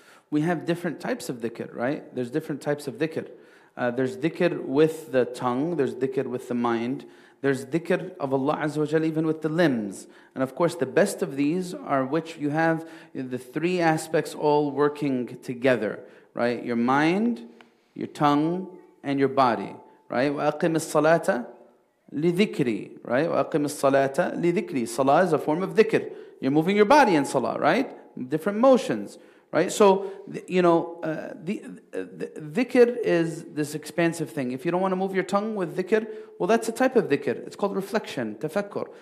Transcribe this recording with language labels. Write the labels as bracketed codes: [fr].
[en] We have different types of dhikr, right? There's different types of dhikr. There's dhikr with the tongue, there's dhikr with the mind. There's dhikr of Allah Azza wa Jalla even with the limbs. And of course, the best of these are which you have the three aspects all working together, right? Your mind, your tongue, and your body, right? [ar] وَأَقِمِ الصَّلَاةَ لِذِكْرِ, [en] right? [ar] وَأَقِمِ الصَّلَاةَ لِذِكْرِ. [en] Salah is a form of dhikr. You're moving your body in salah, right? Different motions, Right? So, you know, the dhikr is this expansive thing. If you don't want to move your tongue with dhikr, well, that's a type of dhikr. It's called reflection, tafakkur.